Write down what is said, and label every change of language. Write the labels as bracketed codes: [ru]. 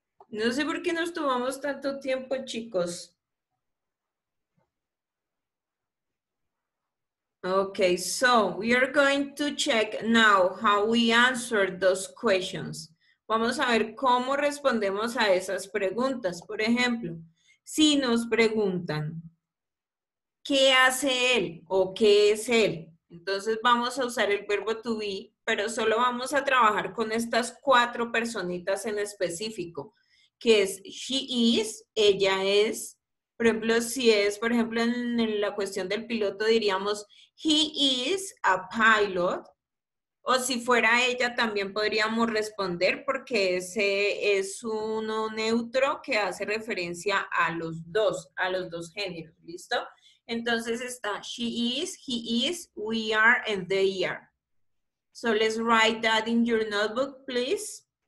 [es] No sé por qué nos tomamos tanto tiempo, chicos. [en] Okay. So we are going to check now how we answer those questions. [es] Vamos a ver cómo respondemos a esas preguntas. Por ejemplo, si nos preguntan, ¿qué hace él o qué es él? Entonces vamos a usar el verbo to be, pero solo vamos a trabajar con estas cuatro personitas en específico, que es she is, ella es. Por ejemplo, si es, por ejemplo, en la cuestión del piloto diríamos, he is a pilot. O si fuera ella, también podríamos responder porque ese es uno neutro que hace referencia a los dos géneros, ¿listo? Entonces está [en] she is, he is, we are, and they are. So let's write that in your notebook, please.